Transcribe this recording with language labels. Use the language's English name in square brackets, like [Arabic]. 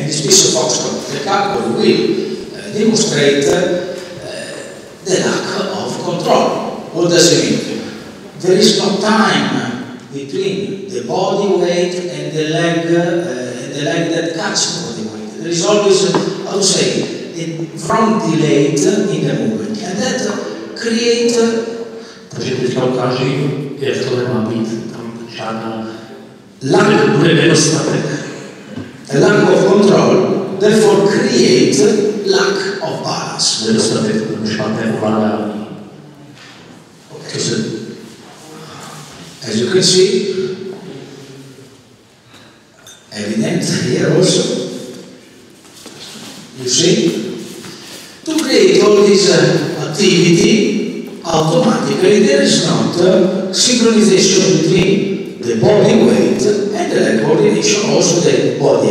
[English] In this piece of foxtrot, the couple will demonstrate the lack of control. What does it mean? There is no time between the body weight and the leg the leg that cuts the body weight. There is always, how to say, a front delay in the movement. And that creates... [Czech] Takže teďka ukáží, jak tohle má být, tam žádná... Bude nedostatek. [English] A lack of control, therefore create lack of balance. [Czech] Nedostatek, to už máte ovládání. [English] As you can see, evident here also, you see, to create all this activity, automatically there is not synchronization between the body weight and the coordination, also the body